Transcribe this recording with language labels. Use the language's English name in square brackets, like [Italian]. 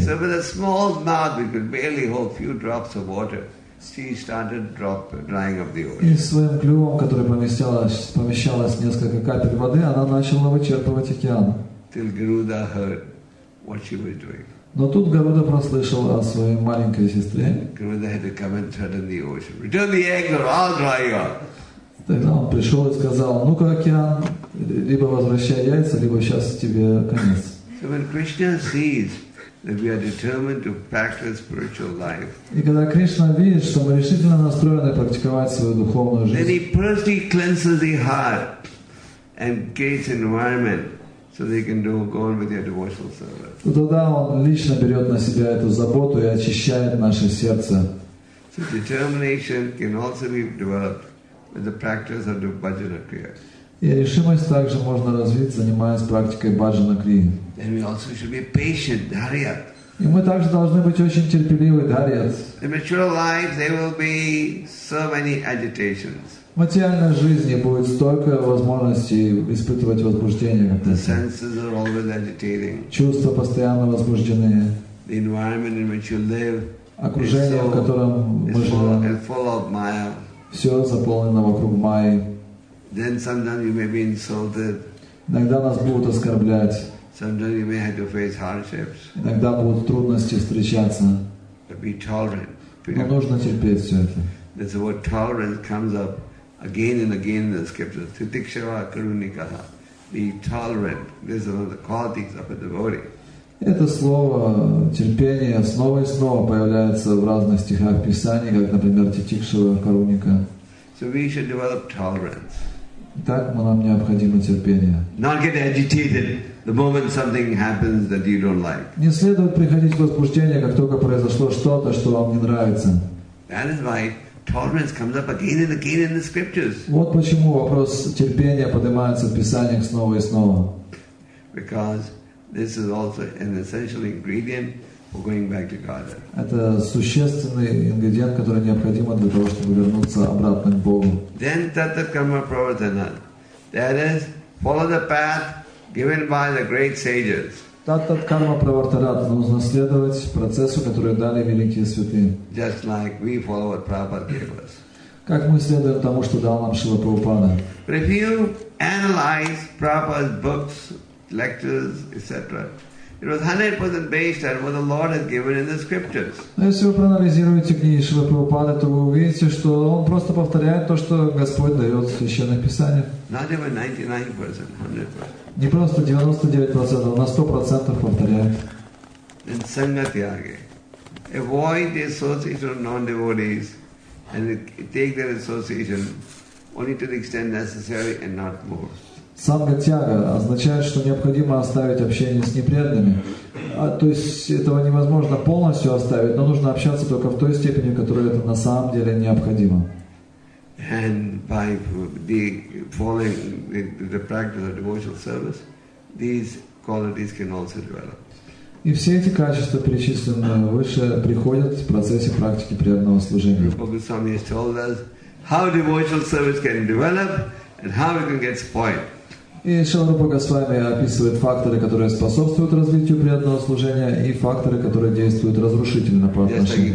[English] So with a small mouth, we could barely hold few drops of water. She started drying up the ocean. [Russian] И своим клювом, который помещалось несколько капель воды, она начала вычерпывать океан. [English] Till Garuda heard what she was doing. [Russian] Но тут Гаруда прослышал о своей маленькой сестре. Тогда он пришел и сказал: «Ну-ка, океан, либо возвращай яйца, либо сейчас тебе конец». [English] So when Krishna sees that we are determined to practice spiritual life, [Russian] и когда Кришна видит, что мы решительно настроены практиковать свою духовную жизнь, [English] then he personally cleanses the heart and creates environment. So they can go on with their devotional service. [Russian] Тогда он лично берет на себя эту заботу и очищает наше сердце. [English] So determination can also be developed with the practice of the bhajana kriya. [Russian] И решимость также можно развить, занимаясь практикой бхаджана крии. [English] And we also should be patient, dharyat. [Russian] И мы также должны быть очень терпеливы, dharyat. [English] In mature life, there will be so many agitations. [Russian] В материальной жизни будет столько возможностей испытывать возбуждение. [English] The senses are always agitating. [Russian] Чувства постоянно возбуждены. [English] The environment in which you live, [Russian] окружение, в котором мы живем, [English] is full of maya. [Russian] Все заполнено вокруг майи. [English] Then sometimes you may be insulted. [Russian] Иногда нас будут оскорблять. [English] Sometimes you may have to face hardships. [Russian] Иногда будут трудности встречаться. [English] But be tolerant. [Russian] Но нужно терпеть все это. [English] That's what tolerance comes up. Again and again in the scriptures, [Sanskrit] titikshava karunikaha, [English] be tolerant. This is one of the qualities of a devotee. [Russian] Это слово терпение снова и снова появляется в разных стихах Писания, как, например, [Sanskrit] титикшава каруника. [English] So we should develop tolerance. [Russian] Так нам необходимо терпение. [English] Not get agitated the moment something happens that you don't like. [Russian] Не следует приходить в возбуждение, как только произошло что-то, что вам не нравится. [English] That is why. Tolerance comes up again and again in the scriptures. [Russian] Вот почему вопрос терпения поднимается в Писаниях снова и снова. [English] Because this is also an essential ingredient for going back to God. [Russian] Это существенный ингредиент, который необходим для того, чтобы вернуться обратно к Богу. [English] Then [Sanskrit] tata karma pravartana. [English] That is, follow the path given by the great sages. [Sanskrit] Tat karma pravartarat, [Russian] нужно следовать процессу, который дали великие святые. [English] Just like we follow what Prabhupada gave us. [Russian] Как мы следуем тому, что дал нам Шрила Прабхупада. [English] But if you analyze Prabhupada's books, lectures, etc., it was 100% based on what the Lord has given in the scriptures. [Russian] Но если вы проанализируете книги Шрила Прабхупада, то вы увидите, что он просто повторяет то, что Господь дает в Священном Писании. [English] Not even 99%, 100%. [Russian] Не просто 99%, а на 100% повторяет. [English] In sangha tyage, avoid the association of non-devotees and take their association only to the extent necessary and not more. [Russian] Sangha tyaga означает, что необходимо оставить общение с непреданными. То есть этого невозможно полностью оставить, но нужно общаться только в той степени, в которой это на самом деле необходимо. [English] And by the following the practice of devotional service, these qualities can also develop. [Russian] И все эти качества, перечисленные выше, приходят в процессе практики преданного служения. [English] Rupa Goswami has told us how devotional service can develop and how it can get spoiled. [Russian] И Шрила Рупа Госвами описывает факторы, которые способствуют развитию преданного служения, и факторы, которые действуют разрушительно по отношению.